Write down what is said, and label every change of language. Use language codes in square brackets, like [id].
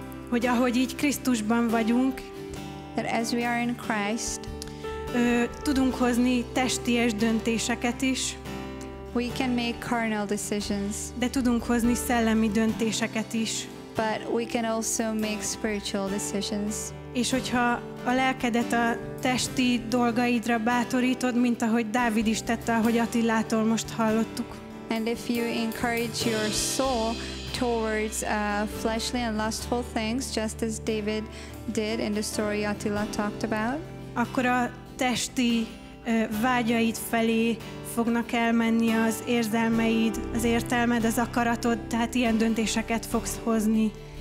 [hu] Hogy ahogy így Krisztusban vagyunk, [en] that as we are in Christ, [hu] tudunk hozni testies döntéseket is. [en] We can make carnal decisions. [hu] De tudunk hozni szellemi döntéseket is. [en] But we can also make spiritual decisions. [hu] És hogyha a lelkedet a testi dolgaidra bátorítod, mint ahogy Dávid is tette, ahogy Attilától most hallottuk. [en] And if you encourage your soul towards fleshly and lustful things, just as David did in the story Attila talked about, [hu] akkor a testi vágyaid felé fognak elmenni az érzelmeid, az értelmed, az akaratod, tehát ilyen döntéseket fogsz hozni.